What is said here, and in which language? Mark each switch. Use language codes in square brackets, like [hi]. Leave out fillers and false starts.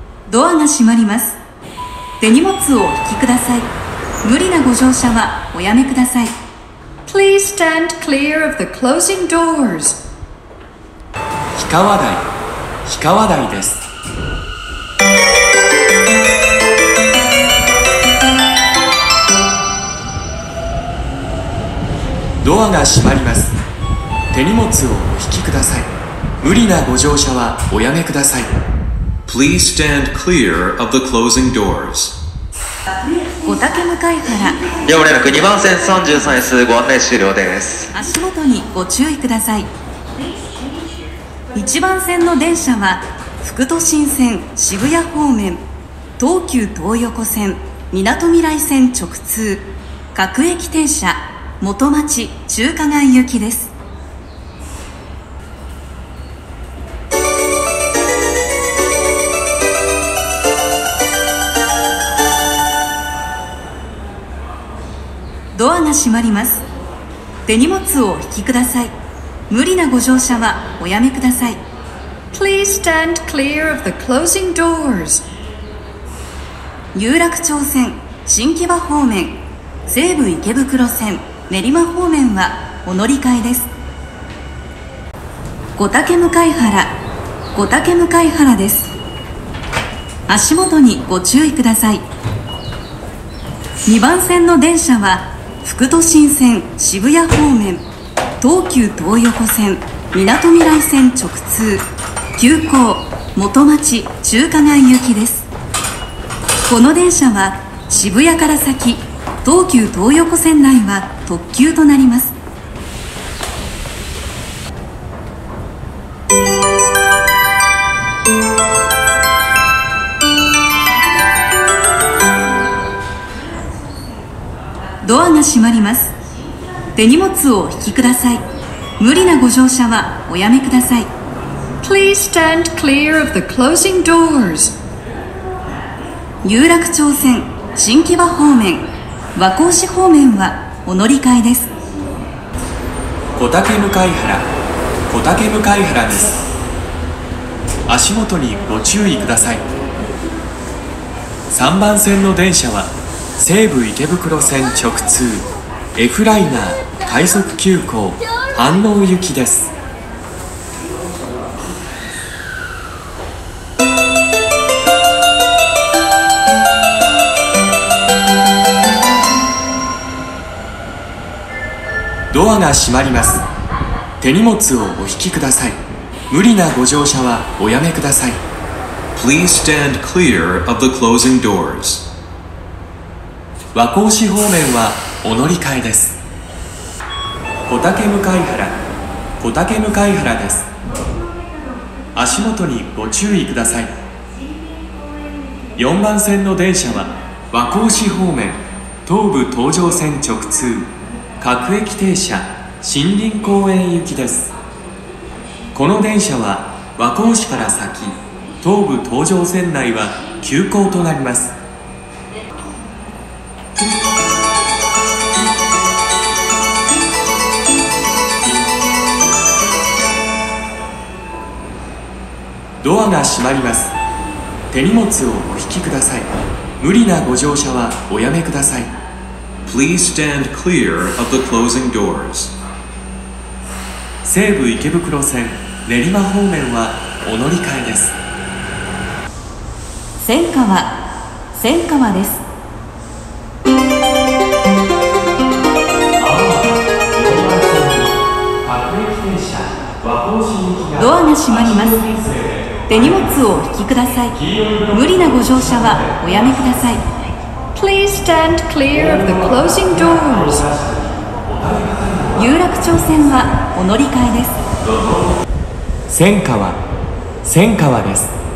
[ja] ドアが閉まります。手荷物をお引きください。無理なご乗車はおやめください。 [en] Please stand clear of the closing doors. [ja] 氷川台、氷川台です。ドアが閉まります。手荷物をお引きください。無理なご乗車はおやめください。 [en] Please stand clear of the closing doors. [ja] おたけ向かいから業務連絡2番線33室ご案内終了です。足元にご注意ください。1番線の電車は副都心線渋谷方面、東急東横線、みなとみらい線直通、各駅停車、元町中華街行きです。ドアが閉まります。手荷物をお引きください。無理なご乗車はおやめください。 [en] Please stand clear of the closing doors. [ja] 有楽町線、新木場方面、西武池袋線、練馬方面はお乗り換えです。御嶽向原、御嶽向原です。足元にご注意ください。2番線の電車は副都心線渋谷方面、東急東横線みなとみらい線直通、急行元町中華街行きです。この電車は渋谷から先、東急東横線内は特急となります。ドアが閉まります。手荷物をお引きください。無理なご乗車はおやめください。 [en] Please stand clear of the closing doors. [ja] 有楽町線新木場方面、和光市方面はお乗り換えです。小竹向原、小竹向原です。足元にご注意ください。3番線の電車は西武池袋線直通 F ライナー快速急行飯能行きです。ドアが閉まります。手荷物をお引きください。無理なご乗車はおやめください。 [en] Please stand clear of the closing doors. [ja] 和光市方面はお乗り換えです。小竹向原、小竹向原です。足元にご注意ください。4番線の電車は和光市方面、東武東上線直通、各駅停車森林公園行きです。この電車は和光市から先、東武東上線内は急行となります。ドアが閉まります。手荷物をお引きください。無理なご乗車はおやめください。 [en] Please stand clear of the closing doors. [ja] 西武池袋線練馬方面はお乗り換えです。千川、千川です。ドアが閉まります。手荷物をお引きください。無理なご乗車はおやめください。 [en] Please stand clear of the closing doors. [ja] 有楽町線はお乗り換えです。千川、千川です。